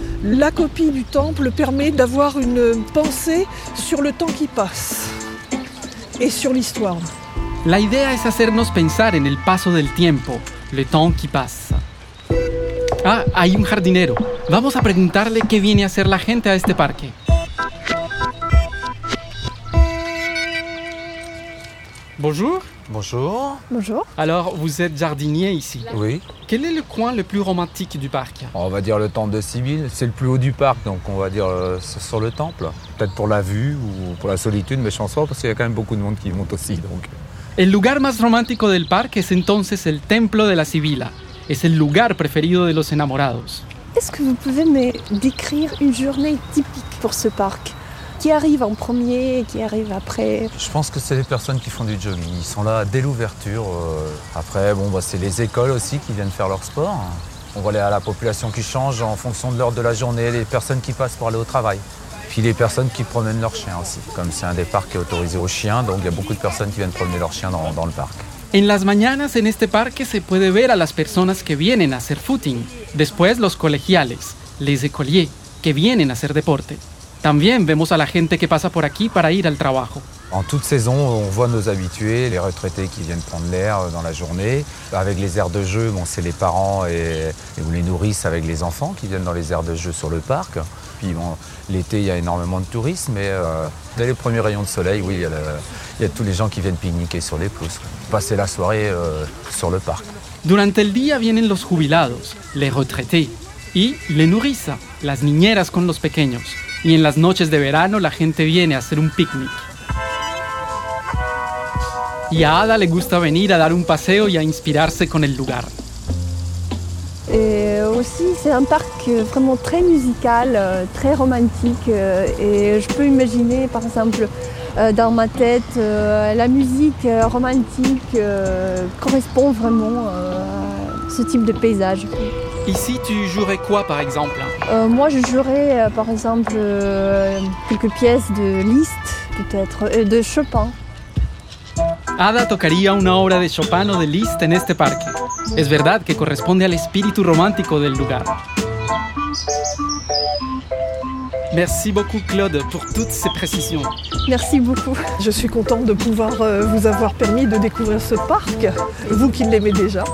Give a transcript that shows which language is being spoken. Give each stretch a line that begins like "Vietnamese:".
French: La copie du temple permet d'avoir une pensée sur le temps qui passe et sur l'histoire.
Spanish: La idea es hacernos pensar en el paso del tiempo,
French: le temps qui passe.
Spanish: Ah, hay un jardinero. Vamos a preguntarle qué viene a hacer la gente a este parque.
French: Bonjour. Bonjour. Bonjour. Alors, vous êtes jardinier ici. Oui. Quel est le coin le plus romantique du parc ? On va dire le temple de Sibylle. C'est le plus haut du parc, donc on va dire sur le temple. Peut-être pour la vue ou pour la solitude, mais je pense pas, parce qu'il y a quand même beaucoup de monde qui monte aussi. Donc.
Spanish: El lugar más romántico del parque es entonces el templo de la Sibylla. Es el lugar preferido de los enamorados.
French: Est-ce que vous pouvez me décrire une journée typique pour ce parc ? Qui arrive en premier, qui arrive après? Je pense que c'est les personnes qui font du jogging. Ils sont là dès l'ouverture. Après, bon, bah, c'est les écoles aussi qui viennent faire leur sport. On voit la population qui change en fonction de l'heure de la journée, les personnes qui passent pour aller au travail. Puis les personnes qui promènent leurs chiens aussi. Comme c'est un des parcs qui est autorisé aux chiens, donc il y a beaucoup de personnes qui viennent promener leurs chiens dans le parc.
Spanish: En las mañanas, en este parque, se puede ver a las personas que vienen a hacer footing. Después, los colegiales,
French: les écoliers,
Spanish: que vienen a hacer deporte. También vemos a la gente que pasa por aquí para ir al trabajo.
French: En toute saison, on voit nos habitués, les retraités qui viennent prendre l'air dans la journée. Avec les aires de jeu, bon, c'est les parents et les nourrices avec les enfants qui viennent dans les aires de jeu sur le parc. Puis bon, l'été, il y a énormément de touristes, mais dès les premiers rayons de soleil, oui, il y a tous les gens qui viennent pique-niquer sur les pelouses, passer la soirée sur le parc.
Spanish: Durante el día vienen los jubilados,
French: les retraités,
Spanish: y
French: les nourrices,
Spanish: las niñeras con los pequeños. Y en las noches de verano, la gente viene a hacer un picnic. Y a Ada le gusta venir a dar un paseo y a inspirarse con el lugar.
French: Aussi, c'est un parc vraiment très musical, très romantique. Et je peux imaginer, par exemple, dans ma tête, la musique romantique correspond vraiment à ce type de paysage. Ici, tu jouerais quoi, par exemple ? Moi, je jouerais, par exemple, quelques pièces de Liszt, peut-être, de Chopin.
Spanish: Ada tocaría una obra de Chopin o de Liszt en este parque. Es verdad que corresponde al espíritu romántico del lugar.
French: Merci beaucoup, Claude, pour toutes ces précisions. Merci beaucoup. Je suis contente de pouvoir vous avoir permis de découvrir ce parc, vous qui l'aimez déjà.